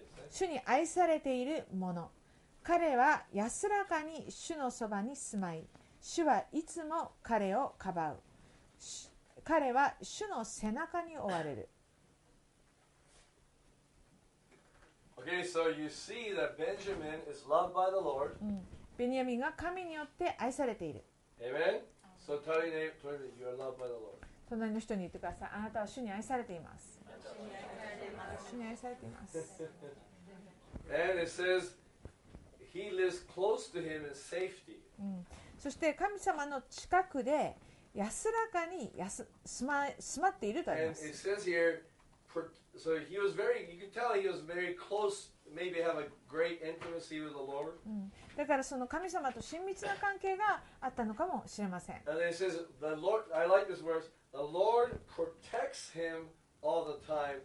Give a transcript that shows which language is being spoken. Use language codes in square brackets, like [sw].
[ja] 主に愛されている者、彼は安らかに主のそばに住まい、主はいつも彼をかばう。彼は主の背中に追われる。 [en] Okay, so you see that Benjamin is loved by the Lord. [ja] ベニヤミンが神によって愛されている。 [en] Amen. So tell your neighbor, tell me, you are loved by the Lord. [ja] 隣の人に言ってください。あなたは主に愛されています。主に愛されています。主に愛されています。 [en] And it says, he lives close to him in safety. [ja] そして神様の近くで安らかに住まっているとあります。 [en] And it says here. So he was very, you could tell he was very close, maybe have a great intimacy with the Lord. [ja] だからその神様と親密な関係があったのかもしれません。 [en] And then it says, the Lord, I like this verse, the Lord protects him all the time.